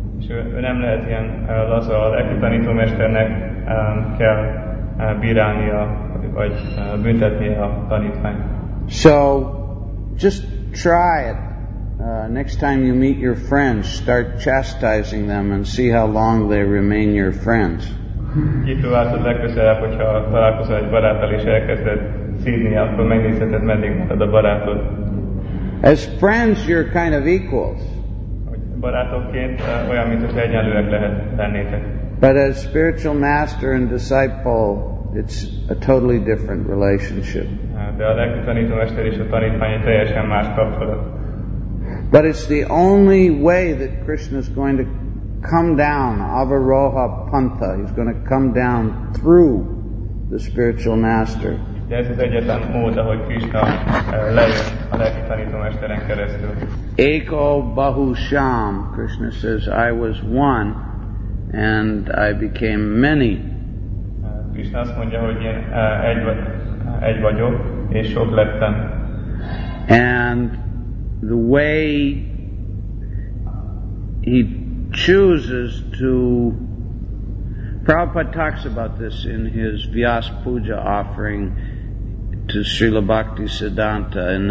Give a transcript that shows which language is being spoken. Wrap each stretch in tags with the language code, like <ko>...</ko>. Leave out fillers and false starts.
<hu>Ő nem lehet ilyen laza, a lelki tanítómesternek kell bírálnia, vagy büntetnie a tanítványt.</hu> <en>So, just try it. Next time you meet your friends, start chastising them and see how long they remain your friends.</en> <hu>Kipróbáltad legközelebb, hogyha találkozol egy baráttal és elkezded szívni, akkor megnézheted, meddig mutat a barátod.</hu> <en>As friends, you're kind of equals.</en> <hu>Barátokként olyan, mint hogy egyenlőek lehet lennétek.</hu> <en>But as spiritual master and disciple, it's a totally different relationship.</en> <hu>De a lelki tanítómester és a tanítvány egy teljesen más kapcsolat.</hu> <en>But it's the only way that Krishna is going to come down, Avaroha Pantha. He's going to come down through the spiritual master.</en> <hu>De ez az egyetlen mód, ahogy Krishna lejön a lelki tanítómesteren keresztül.</hu> <sa>Eko Bahusham,</sa> <en>Krishna says, I was one, and I became many.</en> <hu>Krishna azt mondja, hogy én egy vagyok, és sok lettem.</hu> <en>And the way he chooses to, Prabhupada talks about this in his Vyas Puja offering to Srila Bhakti Siddhanta in</en>